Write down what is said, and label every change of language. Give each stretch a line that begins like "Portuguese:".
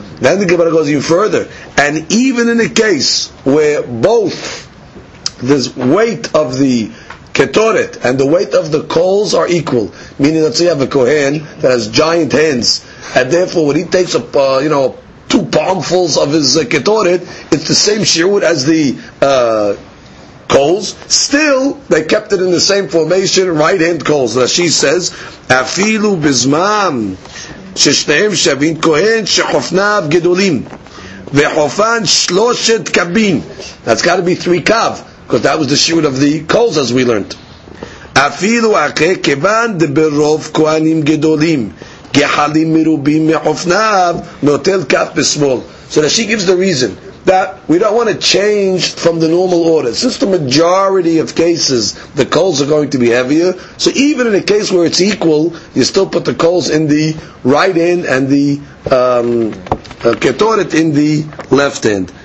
English: Then the Gemara goes even further. And even in a case where both this weight of the ketoret and the weight of the coals are equal, meaning let's say you have a Kohen that has giant hands, and therefore when he takes up, you know, two palmfuls of his ketoret, it's the same shiur as the coals, still they kept it in the same formation, right hand coals. Now she says,
Hebrew: afilu bizmam ששניהם שווים כהן שחופניו גדולים וחופן שלושת קבין.
English: That's got to be three kav, because that was the shiur of the coals, as we learned.
Hebrew: אפילו אחרי כיוון דברוב כהנים גדולים גחלים מרובים מחופניו נוטל קף בשמאל.
English: So that she gives the reason that we don't want to change from the normal order. Since the majority of cases, the coals are going to be heavier, so even in a case where it's equal, you still put the coals in the right hand and the ketoret in the left hand.